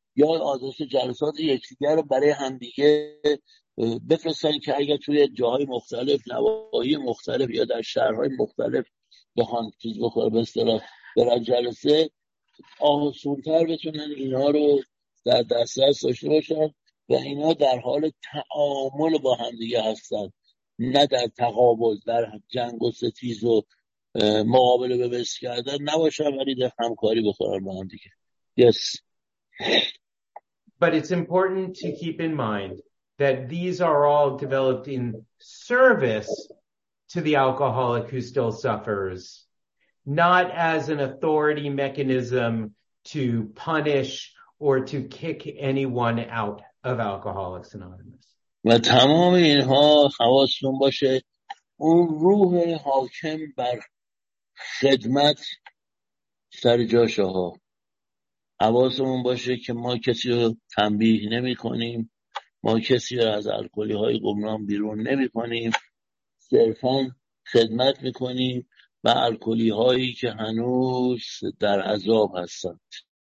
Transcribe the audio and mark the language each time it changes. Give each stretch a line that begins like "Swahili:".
Persian: یا آدرس جلسات یکدیگر رو برای همدیگه بفرستن که اگر توی جاهای مختلف، نواحی مختلف یا در شهرهای مختلف بخوان چیز بخوره به اصطلاح برن جلسه، آسان‌تر بتونن اینا رو در دسترس داشته باشن و اینا در حال تعامل با همدیگه هستن، نه در تقابل، در جنگ و ستیز و مقابله به بس کردن نباشن، ولی در همکاری بخورن با همدیگه.
English: Yes. But it's important to keep in mind that these are all developed in service to the alcoholic who still suffers, not as an authority mechanism to punish or to kick anyone out of Alcoholics Anonymous.
Persian: و تمام اینها حواستون باشه اون روح حاکم بر خدمت سر جاشه ها. حواستون باشه که ما کسی رو تنبیه نمی کنیم، ما کسی رو از الکلی های گمنام بیرون نمی کنیم، صرفا خدمت می کنیم و الکلی هایی که هنوز در عذاب هستند.